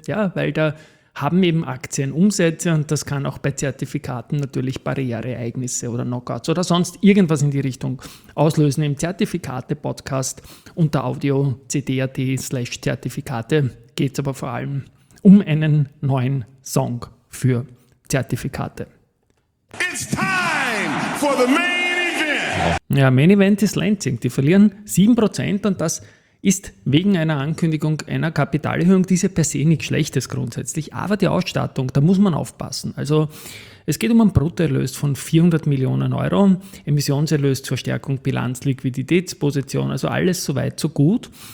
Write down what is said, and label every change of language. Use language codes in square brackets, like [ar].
[de] Ja, weil da haben eben Aktien Umsätze und das kann auch bei Zertifikaten natürlich Barriereereignisse oder Knockouts oder sonst irgendwas in die Richtung auslösen. Im Zertifikate-Podcast unter audio.cd.at/Zertifikate geht es aber vor allem um einen neuen Song für Zertifikate. [en] It's time for the Main Event! [de] Ja, Main Event ist Lenzing. Die verlieren 7% und das ist wegen einer Ankündigung einer Kapitalerhöhung, diese per se nichts Schlechtes grundsätzlich, aber die Ausstattung, da muss man aufpassen. Also es geht um einen Bruttoerlös von 400 Millionen Euro, Emissionserlös zur Stärkung Bilanz, Liquiditätsposition, also alles so weit, so gut.